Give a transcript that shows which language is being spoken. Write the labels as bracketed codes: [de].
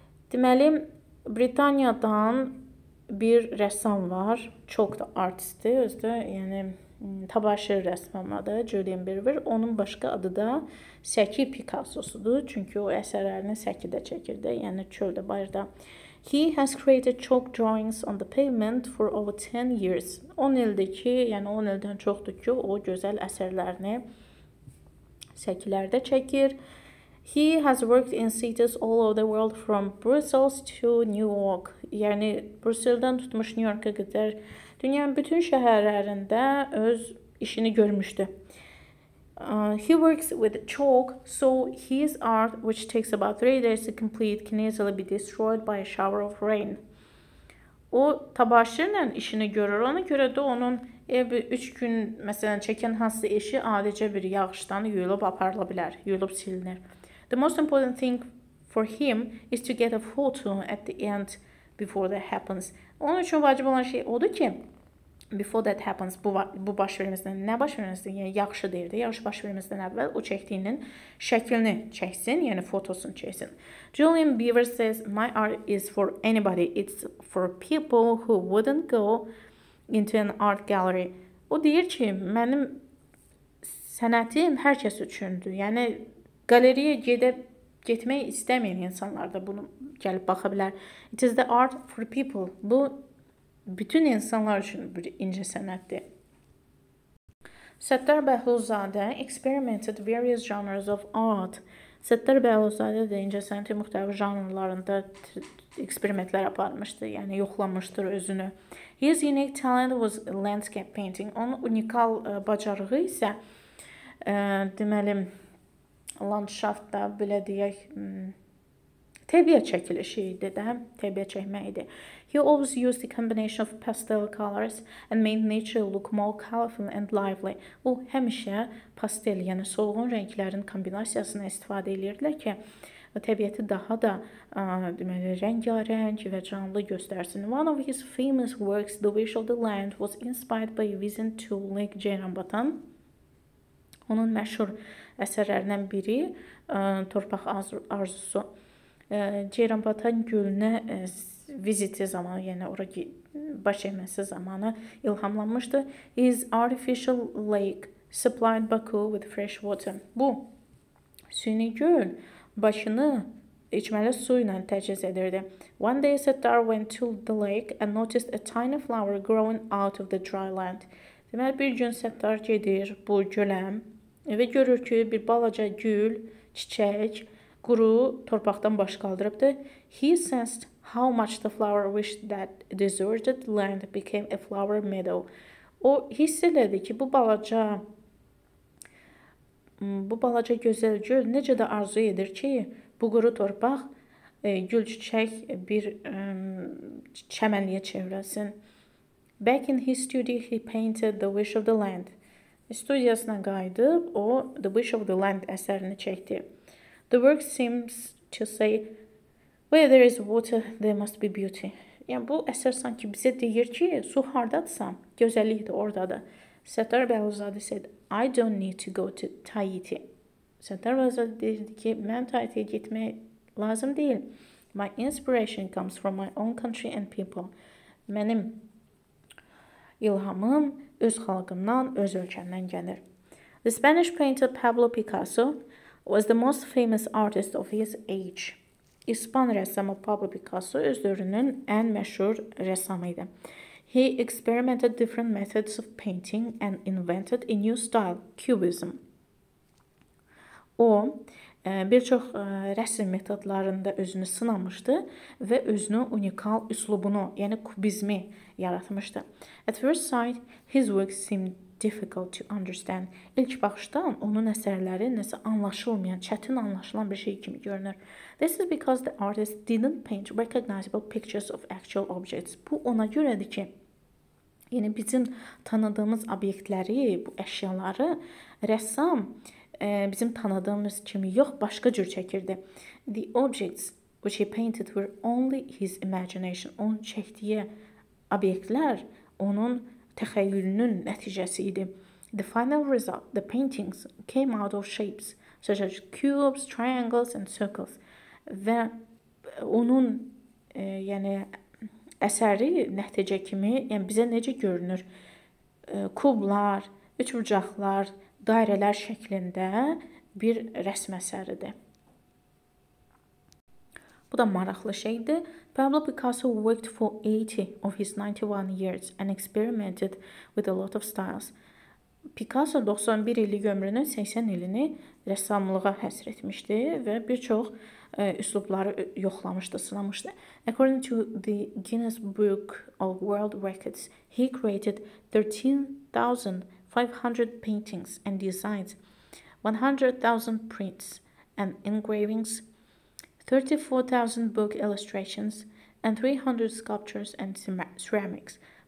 [az] Deməli, Britaniyadan bir rəssam var, chalk da artistdir, özdə, yəni tabaşir rəssamadır, Julian Beaver. Onun başqa adı da Səki Picasso'sudur. Çünki o əsərlərini Səkidə çəkirdi, yəni çöldə, bayırda. [en] He has created chalk drawings on the pavement for over 10 years. [az] 10 ildir ki, yəni 10 ildən çoxdur ki, o gözəl əsərlərini Səkilərdə çəkir. [en] He has worked in cities all over the world from Brussels to New York. [az] Yəni, Brüsseldən tutmuş New York'a qədər dünyanın bütün şəhərlərində öz işini görmüşdü. [en] He works with chalk, so his art, which takes about 3 days to complete, can easily be destroyed by a shower of rain. [az] O, təbaşirlə işini görür. Ona görə də onun 3 gün, məsələn, çəkən hansı işi adicə bir yağışdan yuyulub aparıla bilər, yuyulub silinir. [en] The most important thing for him is to get a photo at the end before that happens. [az] Onun üçün vacib olan şey odur ki, [en] before that happens, [az] bu baş verməsindən, nə baş verməsindən, yəni yaxşı deyirdi, yaxşı baş verməsindən əvvəl o çəkdiyinin şəklini çəksin, yəni fotosunu çəksin. [en] Julian Beaver says, my art is for anybody, it's for people who wouldn't go into an art gallery. [az] O deyir ki, mənim sənətim hər kəs üçündür, yəni qaleriyə getmək istəməyən insanlar da bunu gəlib baxa bilər. [en] It is the art for people, [az] bu Bütün insanlar üçün bir ince sənətdir. [en] Settar Behluzade experimented various genres of art. [az] Settar Behluzade de incəsənətin müxtəlif janrlarında eksperimentlər aparmışdı, yəni yoxlamışdır özünü. [en] His unique talent was landscape painting. [az] Onun unikal bacarığı isə deməli landşaftda belə deyək təbiət çəkilişi idi də, təbiət çəkmək idi. [en] He always used a combination of pastel colors and made nature look more colorful and lively. [az] O, həmişə pastel, yəni solğun rənglərin kombinasiyasını istifadə edirdilər ki, təbiəti daha da deməli, rəngarəng və canlı göstərsin. [en] One of his famous works, The Wish of the Land, was inspired by a vision to Lake Ceyranbatan. [az] Onun məşhur əsərlərindən biri Torpaq Arzusu. Ceyranbatan gölünə viziti zamanı, yəni ora baş etməsi zamanı ilhamlanmışdı. [en] His artificial lake supplied Baku with fresh water. [az] Bu, süni göl başını içməli su ilə təchiz edirdi. [en] One day Settar went to the lake and noticed a tiny flower growing out of the dry land. [az] Deməli, bir gün Settar gedir bu gölə və görür ki, bir balaca gül, çiçək, quru torpaqdan baş qaldırıbdı. [en] He sensed how much the flower wished that deserted land became a flower meadow. [az] O hiss elədi ki, bu balaca gözəl göl necə də arzu edir ki, bu quru torpaq gül çiçək bir çəmənliyə çevrilsin. [en] Back in his studio he painted The Wish of the Land. [az] Studiyasına qayıdıb o The Wish of the Land əsərini çəkdi. [en] The work seems to say, where there is water, there must be beauty. [az] Yəni, bu əsər sanki bizə deyir ki, su haradadırsa, gözəllik də oradadır. [en] Settar Behluzade said, I don't need to go to Tahiti. [az] Settar Behluzade dedi ki, mən Tahiti'ye gitmək lazım deyil. [en] My inspiration comes from my own country and people. [az] Mənim ilhamım öz xalqımdan, öz ölkəmdən gəlir. [en] The Spanish painter Pablo Picasso was the most famous artist of his age. [az] İspan rəssamı Pablo Picasso öz dövrünün ən məşhur rəssamı idi. [en] He experimented different methods of painting and invented a new style, cubism. [az] O, bir çox rəsim metodlarında özünü sınamışdı və özünün unikal üslubunu, yəni kubizmi yaratmışdı. [en] At first sight, his work seemed difficult to understand. [az] İlk baxışdan onun əsərləri nəsə anlaşılmayan, çətin anlaşılan bir şey kimi görünür. [en] This is because the artist didn't paint recognizable pictures of actual objects. [az] Bu ona görədir ki, yəni bizim tanıdığımız obyektləri, bu əşyaları rəssam bizim tanıdığımız kimi yox, başqa cür çəkirdi. [en] The objects which he painted were only his imagination. [az] Onun çəkdiyi obyektlər onun təxəyyülünün nəticəsi idi. [en] The final result, the paintings came out of shapes such as cubes, triangles and circles. [az] Və onun yəni əsəri nəticə kimi, yəni bizə necə görünür? Kublar, üçbucaqlar, dairələr şəklində bir rəsm əsəridir. Bu da maraqlı şeydir. [en] Pablo Picasso worked for 80 of his 91 years and experimented with a lot of styles. [az] Picasso 91 illik ömrünün 80 ilini rəssamlığa həsr etmişdi və bir çox üslubları yoxlamışdı, sınamışdı. [en] According to the Guinness Book of World Records, he created 13,500 paintings and designs, 100,000 prints and engravings, 34,000 book illustrations and 300 sculptures and ceramics.